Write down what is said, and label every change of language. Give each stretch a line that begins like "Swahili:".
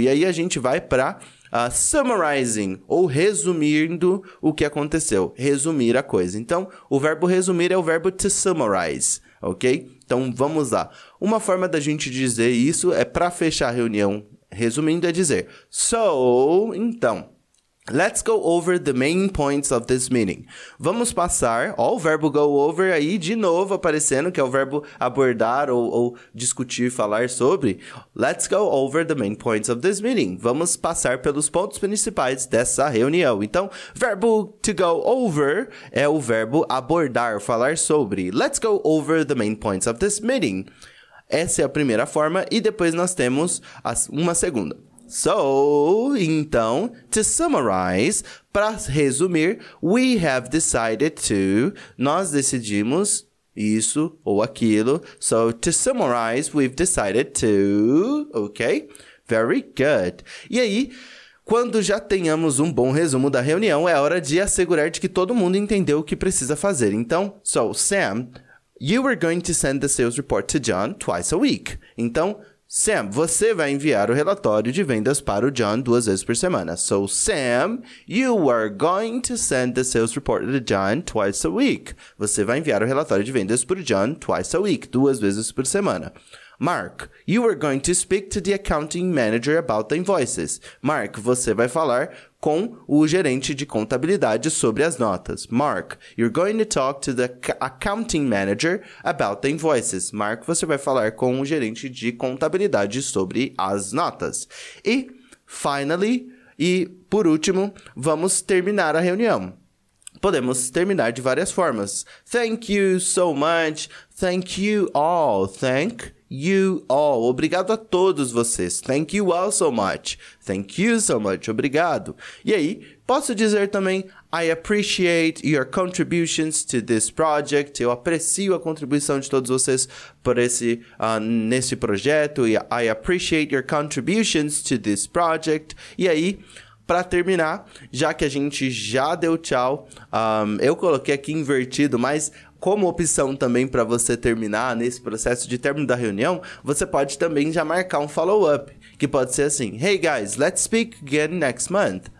Portuguese: E aí a gente vai para summarizing, ou resumindo o que aconteceu, resumir a coisa. Então, o verbo resumir é o verbo to summarize, ok? Então, vamos lá. Uma forma da gente dizer isso é para fechar a reunião, resumindo, é dizer so, então...
English: Let's go over the main points of this meeting.
Portuguese: Vamos passar, ó, o verbo go over aí de novo aparecendo, que é o verbo abordar ou discutir, falar sobre.
English: Let's go over the main points of this meeting.
Portuguese: Vamos passar pelos pontos principais dessa reunião. Então, verbo to go over é o verbo abordar, falar sobre.
English: Let's go over the main points of this meeting.
Portuguese: Essa é a primeira forma e depois nós temos uma segunda. So, então,
English: to summarize,
Portuguese: para resumir,
English: we have decided to,
Portuguese: nós decidimos isso ou aquilo.
English: So, to summarize, we've decided to, ok? Very good.
Portuguese: E aí, quando já tenhamos um bom resumo da reunião, é hora de assegurar de que todo mundo entendeu o que precisa fazer.
English: Então, so, Sam, you are going to send the sales report to John twice a week.
Portuguese: Então, Sam, você vai enviar o relatório de vendas para o John duas vezes por semana.
English: So, Sam, you are going to send the sales report to John twice a week.
Portuguese: Você vai enviar o relatório de vendas para o John
English: twice a week,
Portuguese: duas vezes por semana.
English: Mark, you are going to speak to the accounting manager about the invoices.
Portuguese: Mark, você vai falar com o gerente de contabilidade sobre as notas.
English: Mark, you're going to talk to the accounting manager about the invoices.
Portuguese: Mark, você vai falar com o gerente de contabilidade sobre as notas. E, finally, e por último, vamos terminar a reunião. Podemos terminar de várias formas.
English: Thank you so much. Thank you all. Thank you all.
Portuguese: Obrigado a todos vocês.
English: Thank you all so much. Thank you so much.
Portuguese: Obrigado. E aí, posso dizer também,
English: I appreciate your contributions to this project.
Portuguese: Eu aprecio a contribuição de todos vocês por nesse projeto.
English: E I appreciate your contributions to this project.
Portuguese: E aí, para terminar, já que a gente já deu tchau, eu coloquei aqui invertido, mas como opção também para você terminar nesse processo de término da reunião, você pode também já marcar um follow-up, que pode ser assim,
English: hey guys, let's speak again next month.